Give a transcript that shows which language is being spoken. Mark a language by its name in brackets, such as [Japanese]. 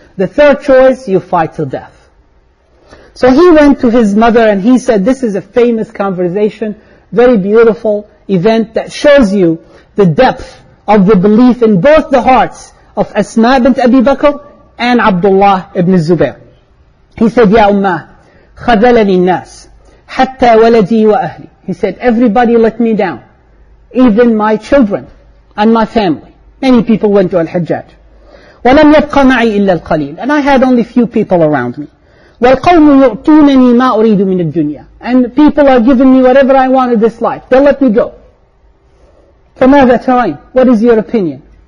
[English] The third choice, you fight till death. So he went to his mother and he said, this is a famous conversation, very beautiful event that shows you the depth of the belief in both the hearts of Asma bint Abi Bakr and Abdullah ibn Zubair. He said, [Arabic] Ya Ummah, خَذَلَنِي النَّاسِ حَتَّى وَلَدِي وَأَهْلِي. [English] He said, everybody let me down, even my children and my family. Many people went to Al-Hajjaj. [Arabic] وَلَمْ يَبْقَ مَعِي إِلَّا الْقَلِيلِ. [English] And I had only few people around me. [Arabic] وَالْقَوْمُ يُعْتُونَنِي مَا أُرِيدُ مِنَ الدُّنْيَا. [English] And people are giving me whatever I want in this life. They'll let me go. From all that time, what is your opinion?